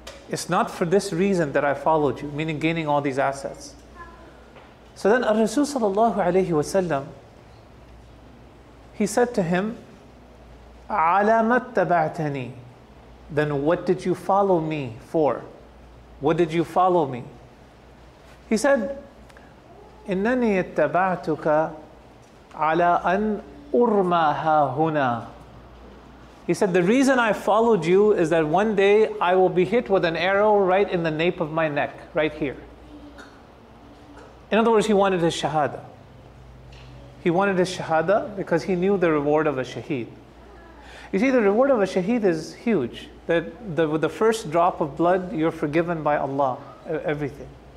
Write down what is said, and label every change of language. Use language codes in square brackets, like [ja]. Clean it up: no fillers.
[en] It's not for this reason that I followed you," meaning gaining all these assets. So then Ar-Rasul sallallahu alayhi wa sallam, he said to him, [ar] عَلَى مَتَّبَعْتَنِي, [en] then what did you follow me for? What did you follow me? He said, [ar] إِنَّنِي اتَّبَعْتُكَ عَلَى أَنْ أُرْمَى هَاهُنَا. [en] He said, the reason I followed you is that one day I will be hit with an arrow right in the nape of my neck, right here. In other words, he wanted his shahada. He wanted his shahada because he knew the reward of a shaheed. You see, the reward of a shaheed is huge. That with the first drop of blood, you're forgiven by Allah, everything.